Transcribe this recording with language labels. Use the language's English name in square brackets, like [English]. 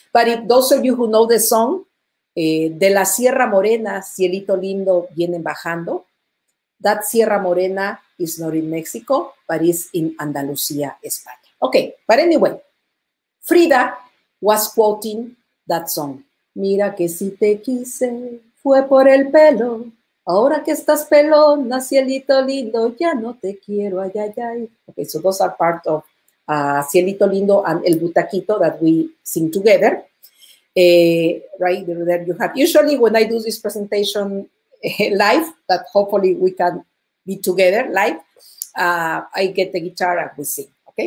[English] But if those of you who know the song, De la Sierra Morena, Cielito Lindo, Vienen Bajando, that Sierra Morena is not in Mexico, but is in Andalucía, España. Okay, but anyway, Frida was quoting that song. [Spanish] Mira que si te quise, fue por el pelo. Ahora que estás pelona, cielito lindo, ya no te quiero, ay, ay, ay. [English] Okay, so those are part of Cielito Lindo and El Butaquito that we sing together. Right there you have, usually when I do this presentation live, that hopefully we can be together live, I get the guitar and we sing, okay?